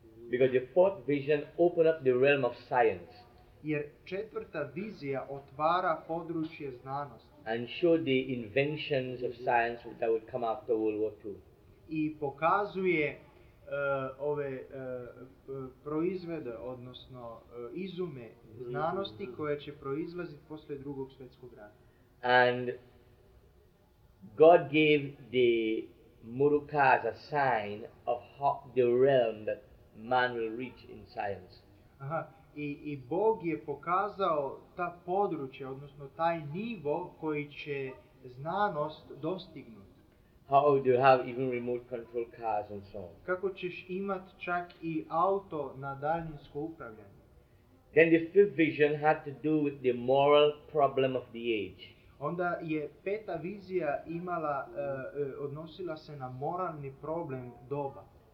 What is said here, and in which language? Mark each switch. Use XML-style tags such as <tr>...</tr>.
<en>Because the fourth vision opened up the realm of science,</en> <sr>jer četvrta vizija otvara područje znanosti,</sr> <en>and showed the inventions of science that would come after World War II.</en> <sr>I pokazuje ove proizvede, odnosno izume znanosti koje će proizlaziti posle drugog svjetskog rata.</sr> <en>And God gave the Murukas a sign of how the realm that man will reach in science. Aha.</en> <sr>I Bog je pokazao ta područje, odnosno taj nivo koji će znanost dostignuti.</sr> <en>How do you have even remote control cars and so on?</en> <sr>Kako ćeš imat čak i auto na daljinsko upravljanje?</sr> <en>Then the fifth vision had to do with the moral problem of the age.</en> <sr>Onda je peta vizija imala, odnosila se na moralni problem doba.</sr>